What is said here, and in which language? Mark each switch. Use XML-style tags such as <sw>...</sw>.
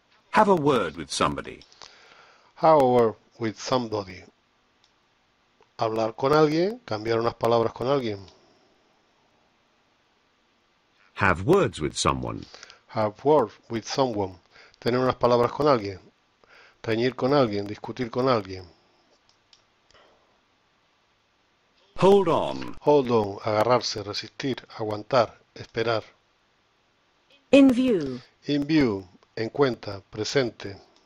<en>Have a word with somebody. Have a word with somebody.</en> <es>Hablar con alguien, cambiar unas palabras con alguien.</es> <en>Have words with someone. Have words with someone.</en> <es>Tener unas palabras con alguien. Reñir con alguien, discutir con alguien.</es> <en>Hold on.</en> <es>Hold on, agarrarse, resistir, aguantar, esperar.</es> <en>In view.</en> <es>In view, en cuenta, presente.</es>